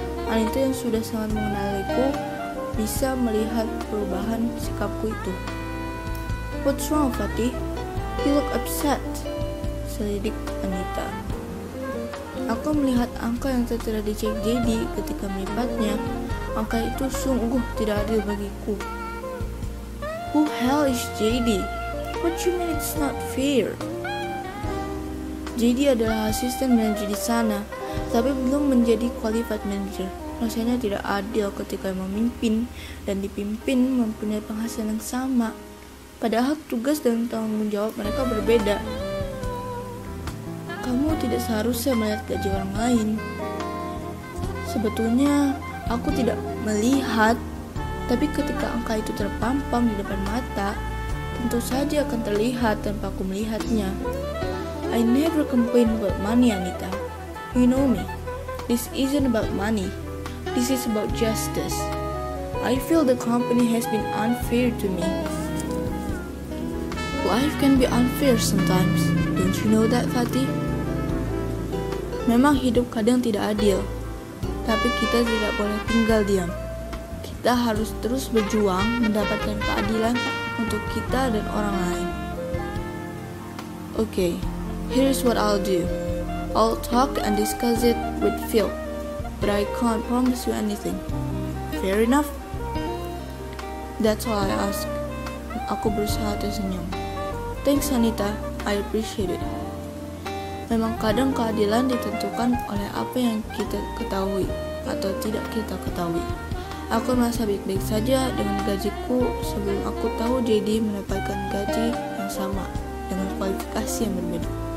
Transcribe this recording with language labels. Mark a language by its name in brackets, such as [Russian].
[Indonesian] Anita yang sudah sangat mengenaliku bisa melihat perubahan sikapku itu. [English] "What's wrong, Fatih? You look upset," [Indonesian] selidik Anita. Aku melihat angka yang tertera di cek JD ketika melipatnya. Angka itu sungguh tidak adil bagiku. [English] "Who hell is JD? What you mean it's not fair?" [Indonesian] JD adalah asisten manager di sana, tapi belum menjadi qualified manager. Rasanya tidak adil ketika memimpin dan dipimpin mempunyai penghasilan yang sama, padahal tugas dan tanggung jawab mereka berbeda. "Kamu tidak seharusnya melihat gaji orang lain." "Sebetulnya aku tidak melihat, tapi ketika angka itu terpampang di depan mata, tentu saja akan terlihat tanpa aku melihatnya." [English] "I never complain about money, Anita. You know me. This isn't about money. This is about justice. I feel the company has been unfair to me." "Life can be unfair sometimes. Don't you know that, Fatih?" [Indonesian] "Memang hidup kadang tidak adil. Tapi kita tidak boleh tinggal diam. Kita harus terus berjuang mendapatkan keadilan untuk kita dan orang lain." [English] "Okay. Here's what I'll do. I'll talk and discuss it with Phil, but I can't promise you anything." "Fair enough." "That's all I ask." [Indonesian] Aku berusaha tersenyum. [English] "Thanks, Anita. I appreciate it." [Indonesian] Memang kadang keadilan ditentukan oleh apa yang kita ketahui atau tidak kita ketahui. Aku merasa baik-baik saja dengan gajiku sebelum aku tahu JD mendapatkan gaji yang sama dengan kualifikasi yang berbeda.